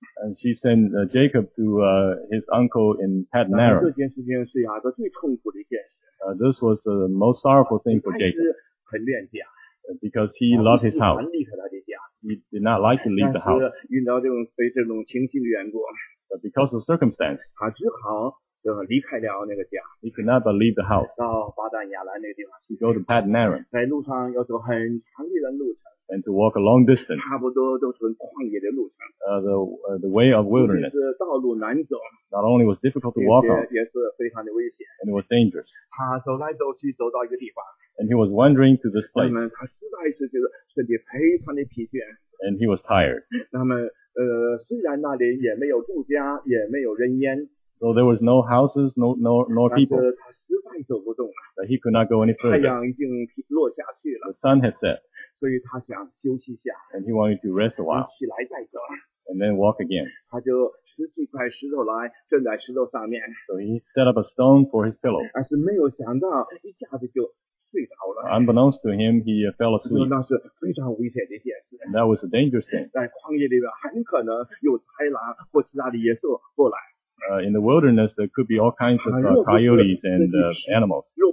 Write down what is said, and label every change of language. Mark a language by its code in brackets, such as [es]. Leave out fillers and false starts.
[en] And she sent Jacob to his uncle in Paddan Aram. [zh] 这件事情是雅各最痛苦的一件事。 [en] This was the most sorrowful thing for Jacob. [zh] 很恋家。 [en] Because he loved his house. [zh] 离开他的家。 [en] He did not like to leave the house. [zh] 但是遇到这种情形的缘故。 [en] But because of circumstance. [zh] 他只好。就离开了那个家 [en] He could not but leave the house [zh] 到巴旦亚兰那个地方 [en] He go to Paddan Aram [zh] 在路上要走很长的路程 [en] And to walk a long distance [zh] 差不多都是旷野的路程 [en] The way of wilderness [zh] 是道路难走 [en] Not only was difficult to walk on [zh] 也是非常的危险 [en] And it was dangerous [zh] 他走来走去走到一个地方 [en] And he was wandering to this place [zh] 那么他实在是身体非常的疲倦 [en] And he was tired [zh] 那么虽然那里也没有住家也没有人烟 [en] So there was no houses, nor people. [zh] 他实在走不动了。 [en] But he could not go any further. [zh] 太阳已经落下去了。 [en] The sun had set. [zh] 所以他想休息一下。 [en] And he wanted to rest a while. [zh] 起来再走。 [en] And then walk again. [zh] 他就拾起块石头来，站在石头上面。 [en] So he set up a stone for his pillow. [zh] 但是没有想到，一下子就睡着了。 [en] Unbeknownst to him, he fell asleep. [zh] 那是非常危险的一件事。 [en] And that was a dangerous thing. [zh] 在旷野里面，很可能有豺狼或其他的野兽过来。 [en] In the wilderness, there could be all kinds of coyotes and animals.